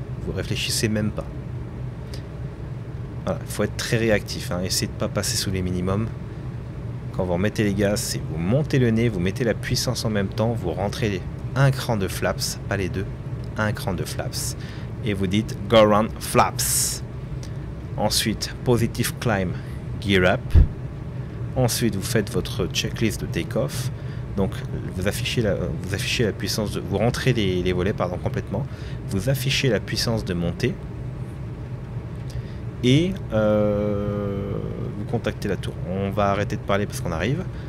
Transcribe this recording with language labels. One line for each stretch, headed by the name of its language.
French: Vous ne réfléchissez même pas. Voilà, il faut être très réactif, hein. Essayez de ne pas passer sous les minimums. Quand vous remettez les gaz, c'est vous montez le nez, vous mettez la puissance en même temps, vous rentrez les... un cran de flaps, pas les deux, un cran de flaps, et vous dites
English: go around flaps. Ensuite, positive climb, gear up.
French: Ensuite, vous faites votre checklist de take-off. Donc, vous affichez la puissance de, vous rentrez les volets, pardon, complètement. Vous affichez la puissance de montée et vous contactez la tour. On va arrêter de parler parce qu'on arrive.